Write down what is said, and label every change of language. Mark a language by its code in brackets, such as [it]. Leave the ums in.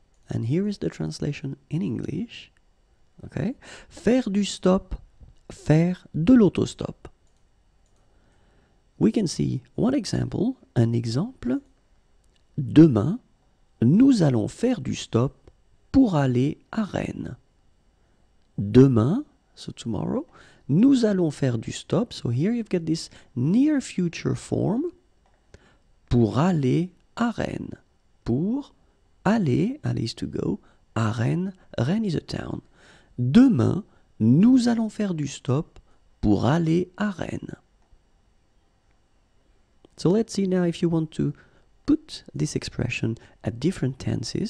[en] and here is the translation in English okay [fr] faire du stop faire de l'auto-stop. [en] we can see one example, [fr] un exemple. Demain, nous allons faire du stop pour aller à Rennes. Demain, [en] so tomorrow, [fr] nous allons faire du stop. [en] So here you've got this near future form. [fr] Pour aller à Rennes. Pour aller, aller [en] is to go, [fr] à Rennes. Rennes [en] is a town. [fr] Demain, nous allons faire du stop pour aller à Rennes. [en] So let's see now if you want to put this expression at different tenses.